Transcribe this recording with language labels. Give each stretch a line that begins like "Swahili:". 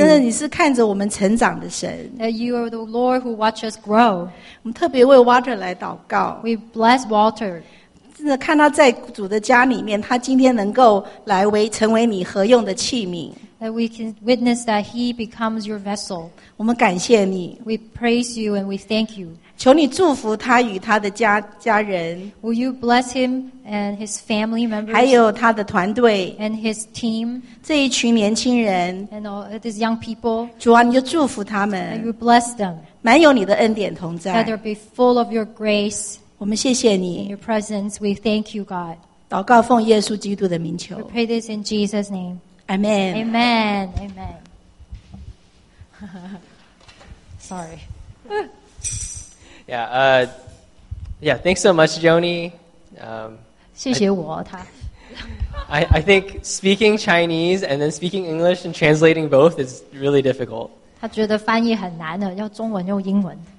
Chinese: 真的你是看着我们成长的神。
English: That you are the Lord who watches us grow.
Chinese: 我们特别为Walter来祷告。
English: We bless Walter.
Chinese: 真的看他在主的家里面，他今天能够来成为你合用的器皿。
English: That we can witness that he becomes your vessel.
Chinese: 我们感谢你。
English: We praise you and we thank you.
Chinese: 求你祝福他与他的家人。
English: Will you bless him and his family members?
Chinese: 还有他的团队。
English: And his team.
Chinese: 这一群年轻人。
English: And all these young people.
Chinese: 主啊，你就祝福他们。
English: And you bless them.
Chinese: 满有你的恩典同在。
English: That they'll be full of your grace.
Chinese: 我们谢谢你。
English: In your presence, we thank you, God.
Chinese: 祷告奉耶稣基督的名求。
English: We pray this in Jesus' name. Amen. Amen. Amen. Sorry. Yeah. Yeah. Thanks so much, Joni.
Chinese: 谢谢我他.
English: I think speaking Chinese and then speaking English and translating both is really difficult.
Chinese: 他觉得翻译很难的，要中文用英文.